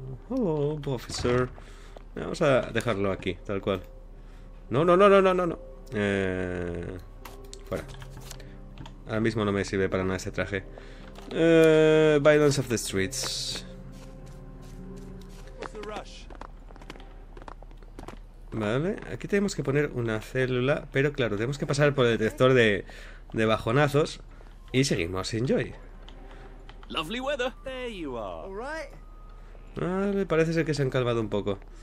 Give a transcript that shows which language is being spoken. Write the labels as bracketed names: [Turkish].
[English] Hello, officer. [Spanish] Vamos a dejarlo aquí, tal cual. No, no, no, no, no, no, no. Fuera. Ahora mismo no me sirve para nada este traje. [English] Violence of the streets. [Spanish] Vale, aquí tenemos que poner una célula, pero claro, tenemos que pasar por el detector de bajonazos y seguimos sin Joy. [English] Lovely weather. There you are. All right. [Spanish] Vale, parece ser que se han calmado un poco.